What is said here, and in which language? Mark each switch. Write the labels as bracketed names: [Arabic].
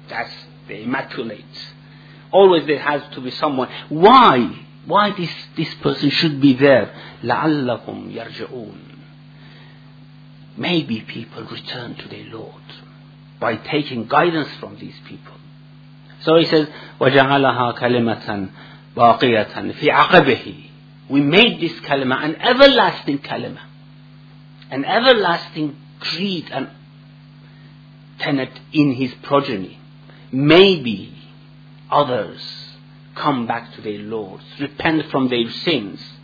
[English] That's the immaculate. Always there has to be someone. Why? Why this person should be there? [Arabic] لَعَلَّكُمْ يَرْجِعُونَ. [English] Maybe people return to their Lord by taking guidance from these people. So he says, [Arabic] وَجَعَلَهَا كَلِمَةً بَاقِيَةً فِي عَقَبِهِ. [English] We made this kalima an everlasting kalima, an everlasting creed and tenet in his progeny. Maybe others come back to their Lords, repent from their sins.